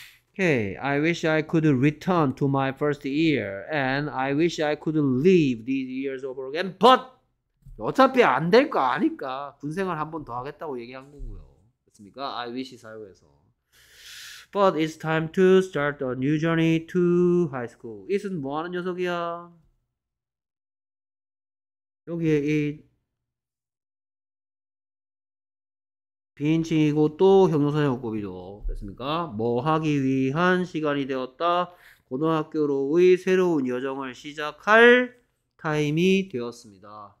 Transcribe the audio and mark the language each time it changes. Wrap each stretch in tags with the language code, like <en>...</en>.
<en>Okay, I wish I could return to my first year and I wish I could leave these years over again.</en> <ko>But 어차피 안 될 거 아니까 군생활 한 번 더 하겠다고 얘기한 거고요. 됐습니까? I wish 사용해서.</ko> <en>But it's time to start a new journey to high school.</en> <ko>It's 뭐 하는 녀석이야? 여기에 이 비인칭이고 또 형용사형 급이죠. 됐습니까? 뭐 하기 위한 시간이 되었다. 고등학교로의 새로운 여정을 시작할 타임이 되었습니다.</ko>